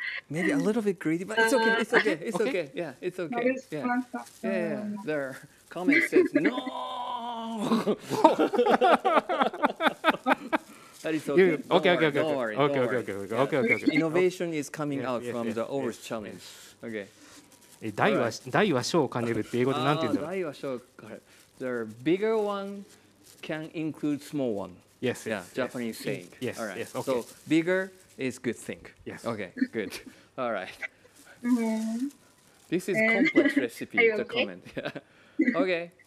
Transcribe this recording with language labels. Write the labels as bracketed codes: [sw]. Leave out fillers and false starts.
[en] maybe a little bit greedy, but it's okay. It's okay. Yeah, it's okay. Yeah. There. Comment says no. That is okay. Don't worry. Innovation is coming out from the overs challenge. Okay. [ja] 大は小を兼ねるって英語で何て言うんだろう? 大は小を兼ねる。 [en] The bigger one can include small one. Yes. Yeah, Japanese saying. Yes. All right. Yes, okay. So bigger is good thing. Yes. Okay, good. All right. This is complex recipe, the comment. Yeah. Okay.